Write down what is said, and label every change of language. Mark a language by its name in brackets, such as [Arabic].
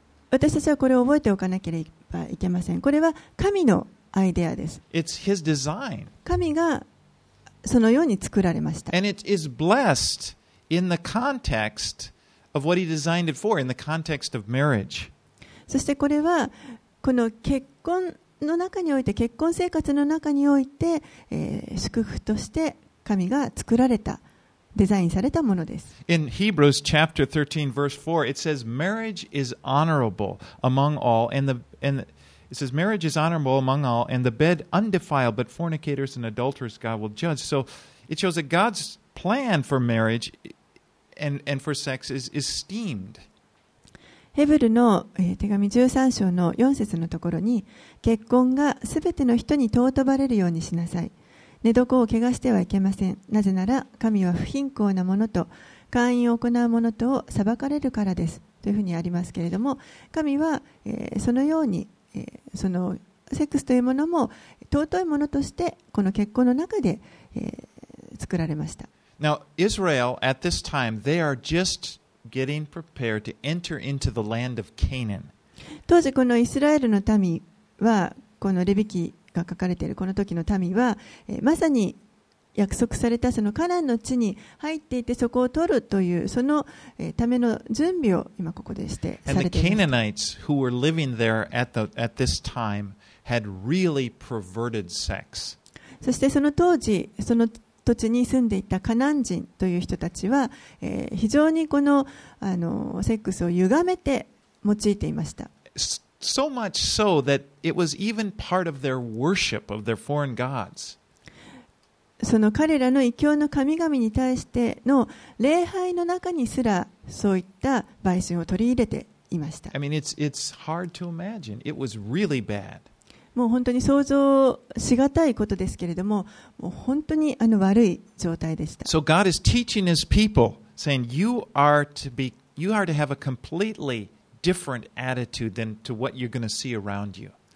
[Japanese] 私たちはこれを覚えておかなければいけません。これは神のアイデアです。 [English] It's his design. [Japanese] 神がそのように作られました。 [English] And it is blessedIn the context of what he designed it for, in the context of marriage. [Japanese] そしてこれはこの結婚の中において結婚生活の中において、祝福として神が作られたデザインされたものです。 [English] In Hebrews chapter 13 verse 4, it says marriage is honorable among all, and it says marriage is honorable among all, and the bed undefiled, but fornicators and adulterers God will judge. So it shows that God's plan for marriageAnd for sex is esteemed. [Japanese] ヘブルの手紙13章の4節のところに、結婚がすべての人に尊ばれるようにしなさい。寝床を汚してはいけません。なぜなら神は不貧困なものと姦淫を行うものとを裁かれるからです。というふうにありますけれども、神はそのようにそのセックスというものも尊いものとしてこの結婚の中で作られました。 [English] Now, Israel, at this time, they are just getting prepared to enter into the land of Canaan. [Japanese] 当時このイスラエルの民は、このレビ記が書かれているこの時の民は、まさに約束されたそのカナンの地に入っていて、そこを取るというそのための準備を今ここでしてされています。 [English] And the Canaanites who were living there at this time had really perverted sex. [Japanese] そしてその当時その土地に住んでいたカナン人という人たちは、非常にこの、セックスを歪めて用いていました。 [English] So much so that it was even part of their worship of their foreign gods. [Japanese] その彼らの異教の神々に対しての礼拝の中にすらそういった売春を取り入れていました。 [English] I mean, it's hard to imagine. It was really bad. [Japanese] もう本当に想像しがたいことですけれども、もう本当に悪い状態でした。 [English] So God is teaching his people, saying you are to have a completely different attitude than to what you're going to see around you.